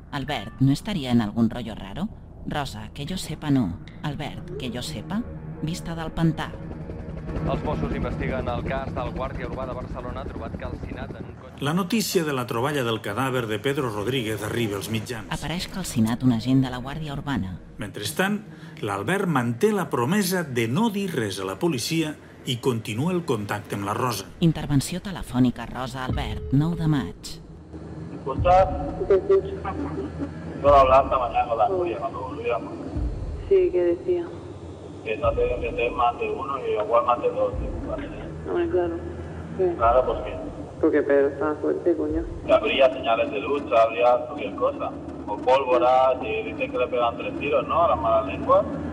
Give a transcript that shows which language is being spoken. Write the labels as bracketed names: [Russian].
[Spanish] Albert, ¿no estaría en algún rollo raro? Rosa, que yo sepa no. Albert, que yo sepa, [Catalan] vista del pantà. Els Mossos investiguen el cas del Guàrdia Urbà de Barcelona trobat calcinat en un cotxe... La notícia de la troballa del cadàver de Pedro Rodríguez arriba als mitjans. Apareix calcinat un agent de la Guàrdia Urbana. Mentrestant, l'Albert manté la promesa de no dir res a la policia i continua el contacte amb la Rosa. Intervenció telefònica Rosa Albert, 9 de maig. [Spanish] Escolta, vengo a hablar esta mañana con la Núria, cuando volvíamos. Sí, ¿qué decía? Que no te metes más de uno y igual más de dos, ¿vale? Hombre, claro. ¿Qué? Claro, ¿por qué? Porque Pedro estaba fuerte, coño. Que habría señales de lucha, habría cualquier cosa. O pólvora, si dicen que le pegan tres tiros, ¿no? A las malas lenguas.